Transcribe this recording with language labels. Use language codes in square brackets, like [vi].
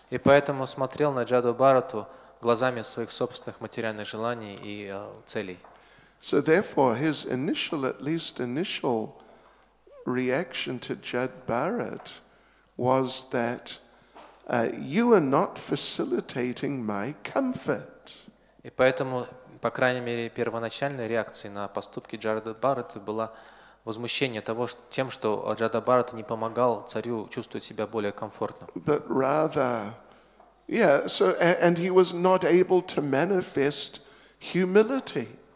[ru] И поэтому смотрел на Джаду Барату глазами своих собственных материальных желаний и целей. [en] So therefore, his initial, at least initial, reaction to Judd Barrett was that you are not facilitating my comfort. [ru] И поэтому, по крайней мере, первоначальной реакцией на поступки Джада Барретта было возмущение того, тем, что Джада Барретта не помогал царю чувствовать себя более комфортно. [en] But rather, yeah, so, and he was not able to manifest humility.